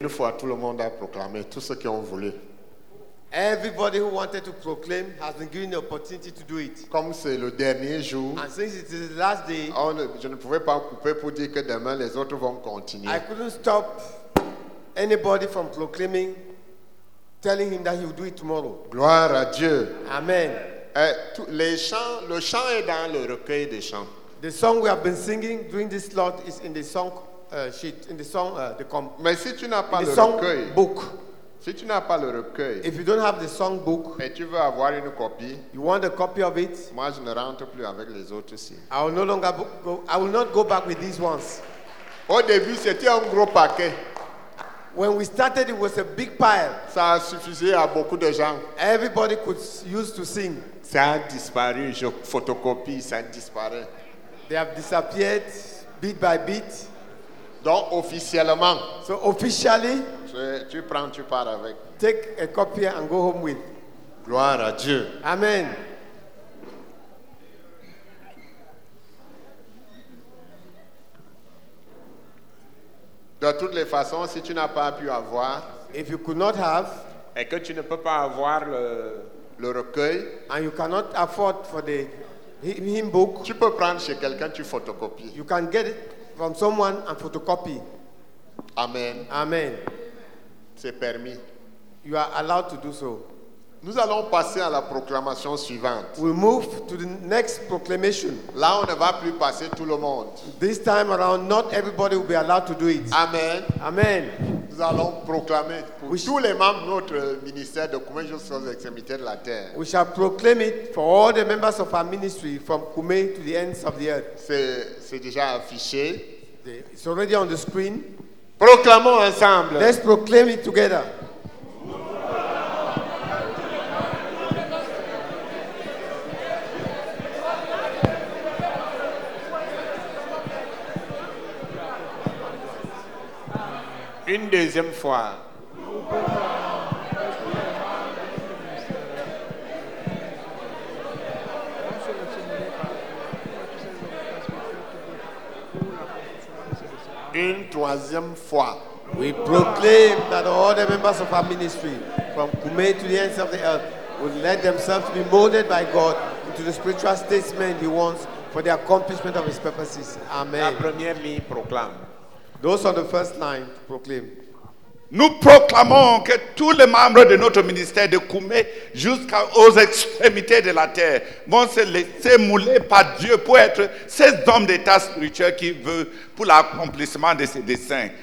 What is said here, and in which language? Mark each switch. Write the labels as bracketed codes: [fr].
[fr] une fois, tout le monde a proclamé tout ce qu'ils ont voulu. [en] Everybody who wanted to proclaim has been given the opportunity to do it. [fr] Comme c'est le dernier jour, [en] and since it is the last day, [fr] je ne pouvais pas couper pour dire que demain les autres vont continuer. [en] I couldn't stop anybody from proclaiming, telling him that he will do it tomorrow. [fr] Gloire à Dieu. Amen. Le chant est dans le recueil des chants. [en] The song we have been singing during this slot is in the song sheet, in the song the comp. [fr] Mais si tu n'as pas [en] in [fr] le [en] song [fr] recueil, [en] book. [fr] Si tu n'as pas le recueil, [en] if you don't have the song book, [fr] et tu veux avoir une copie, [en] you want a copy of it, [fr] moi je ne rentre plus avec les autres ici. [en] I will no longer go. I will not go back with these ones. [fr] Au début, c'était un gros paquet. [en] When we started, it was a big pile. [fr] Ça a suffisé à beaucoup de gens. [en] Everybody could use to sing. [fr] Ça a disparu. Je photocopie, ça a disparu. [en] They have disappeared bit by bit. [fr] Donc officiellement. [en] So officially. [fr] Tu prends, tu pars avec. [en] Take a copy and go home with. [fr] Gloire à Dieu. Amen. De toutes les façons, si tu n'as pas pu avoir, [en] if you could not have, [fr] et que tu ne peux pas avoir le recueil, [en] and you cannot afford for the hymn book, [fr] tu peux prendre chez quelqu'un, tu photocopies. [en] You can get it from someone and photocopy. Amen. Amen. [fr] C'est permis. [en] You are allowed to do so. [fr] Nous allons passer à la proclamation suivante. [en] We move to the next proclamation. [fr] Là, on ne va plus passer tout le monde. [en] This time around, not everybody will be allowed to do it. Amen. Amen. [fr] Nous allons proclamer pour tous les membres de notre ministère de Koumé jusqu'aux extrémités de la terre. [en] We shall proclaim it for all the members of our ministry from Koumé to the ends of the earth. [fr] C'est déjà affiché. [en] It's already on the screen. [fr] Proclamons ensemble. [en] Let's proclaim it together. [fr] Une deuxième fois. Une troisième fois. [en] We proclaim that all the members of our ministry, from Koumé to the ends of the earth, will let themselves be molded by God into the spiritual statesmen he wants for the accomplishment of his purposes. Amen. [fr] La première ligne proclame. [en] Those on the first line to proclaim. [fr] Nous proclamons que tous les membres de notre ministère de Koumé jusqu'aux extrémités de la terre vont se laisser mouler par Dieu pour être ces hommes d'état spirituel qu'il veut pour l'accomplissement de ses desseins.